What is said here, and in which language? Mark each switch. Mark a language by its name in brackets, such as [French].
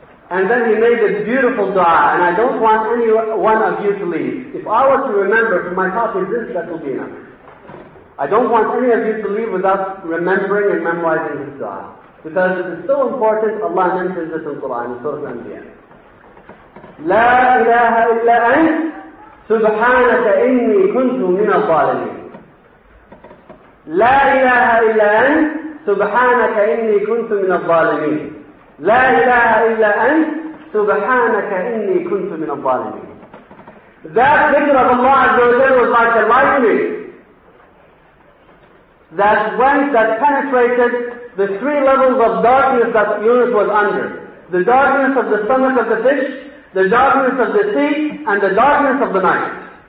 [English] And then he made this beautiful dua, and I don't want any one of you to leave. If I were to remember from my copy this, that will be enough. I don't want any of you to leave without remembering and memorizing this dua. Because it is so important, Allah mentions this in Quran, in Surah Al-Anbiya. [Arabic] لا إله إلا أنت سبحانك إني كنت من الظالمين. لا إله إلا أنت سبحانك إني كنت من الظالمين. لا إله إلا أنت سبحانك إني كنت من الظالمين. [English] That dhikr of Allah Azza wa Jalla was like a lightning that went, that penetrated the three levels of darkness that Yunus was under. The darkness of the stomach of the fish, the darkness of the sea, and the darkness of the night.